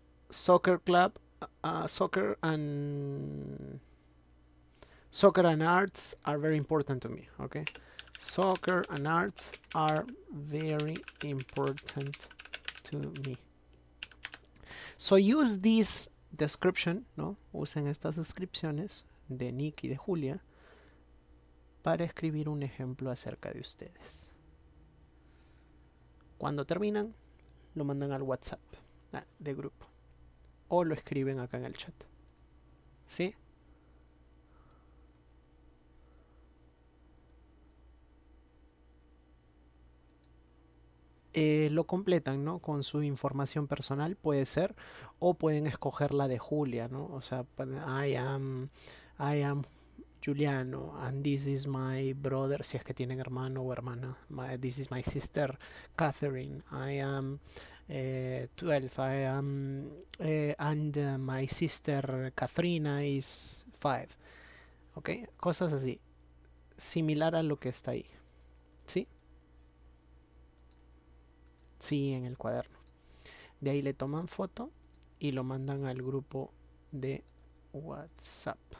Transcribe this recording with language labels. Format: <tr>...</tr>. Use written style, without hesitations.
<en>Soccer club, soccer and arts are very important to me, okay? Soccer and arts are very important to me. So use this description, ¿no?</en> <es>Usen estas descripciones de Nick y de Julia para escribir un ejemplo acerca de ustedes. Cuando terminan, lo mandan al WhatsApp, de grupo. O lo escriben acá en el chat. ¿Sí? Lo completan, ¿no? Con su información personal, puede ser. O pueden escoger la de Julia, ¿no? O sea,</es> <en>I am Juliano, and this is my brother,</en> <es>si es que tienen hermano o hermana.</es> <en>This is my sister, Catherine. I am 12, I am, and my sister Katrina is 5.</en> <es>Ok, cosas así, similar a lo que está ahí. ¿Sí? Sí, en el cuaderno. De ahí le toman foto y lo mandan al grupo de WhatsApp.</es>